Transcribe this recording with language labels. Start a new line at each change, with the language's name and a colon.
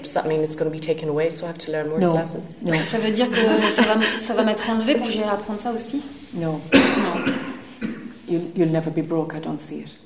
English: Does that mean it's going to be taken away, so I have to learn more lessons? No.
French: Ça veut dire que ça va m'être enlevé pour que j'aie à apprendre ça aussi?
English: No.
French: Non.
English: You'll never be broke. I don't see it.